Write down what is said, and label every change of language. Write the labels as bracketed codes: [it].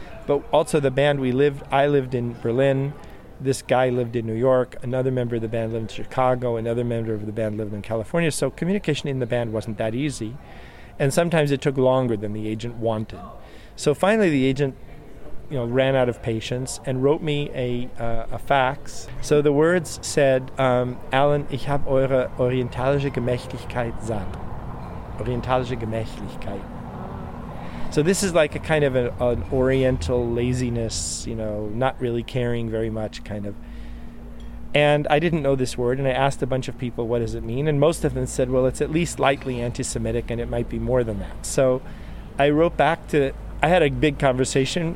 [en] But also the band, I lived in Berlin, this guy lived in New York, another member of the band lived in Chicago, another member of the band lived in California, so communication in the band wasn't that easy, and sometimes it took longer than the agent wanted. So finally the agent, you know, ran out of patience and wrote me a fax. So the words said, [de] Alan, ich habe eure orientalische Gemächlichkeit satt. Orientalische Gemächlichkeit. [en] So this is like a kind of an oriental laziness, you know, not really caring very much kind of. And I didn't know this word, and I asked a bunch of people, what does it mean? And most of them said, well, it's at least lightly anti-Semitic, and it might be more than that. So I wrote back to, I had a big conversation.